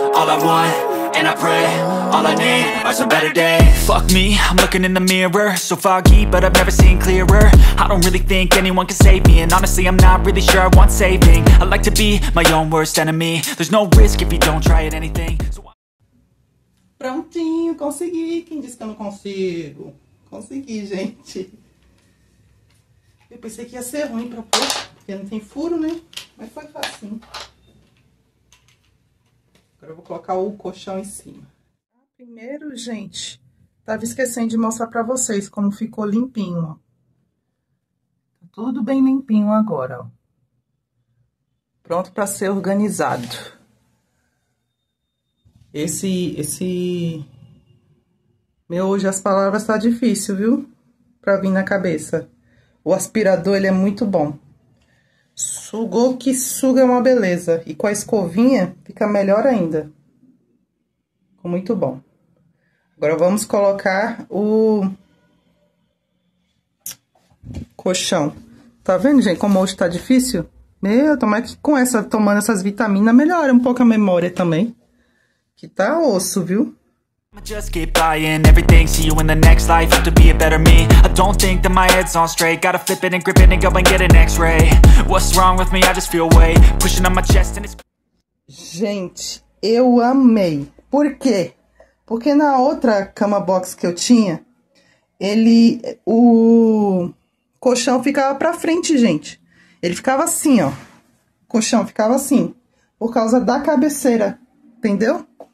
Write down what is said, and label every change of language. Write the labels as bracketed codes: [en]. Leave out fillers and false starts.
[en] All I want, and I pray. All I need are some better days. Fuck me, I'm looking in the mirror. So foggy, but I've never seen clearer. I don't really think anyone can save me. And honestly, I'm not really sure I want saving. I like to be my own worst enemy. There's no risk if you don't try at anything. [pt] Prontinho, consegui. Quem disse que eu não consigo? Consegui, gente. Eu pensei que ia ser ruim pra pôr, porque não tem furo, né? Mas foi fácil. Agora eu vou colocar o colchão em cima. Primeiro, gente, tava esquecendo de mostrar pra vocês como ficou limpinho, ó. Tá tudo bem limpinho agora, ó. Pronto pra ser organizado. Esse... Meu, hoje as palavras tá difícil, viu? Pra vir na cabeça. O aspirador, ele é muito bom. Sugou que suga uma beleza. E com a escovinha, fica melhor ainda. Ficou muito bom. Agora vamos colocar o colchão. Tá vendo, gente, como hoje tá difícil? Meu, tomara que com essa, tomando essas vitaminas, melhora um pouco a memória também. Que tá osso, viu? [en] Just keep buying everything. See you in the next life. Have to be a better me. I don't think that my head's on straight. Gotta flip it and grip it and go and get an x-ray. What's wrong with me? I just feel weight pushing on my chest and it's. [pt] Gente, eu amei. Por quê? Porque na outra cama box que eu tinha, o colchão ficava pra frente, gente. Ele ficava assim, ó. O colchão ficava assim. Por causa da cabeceira, entendeu?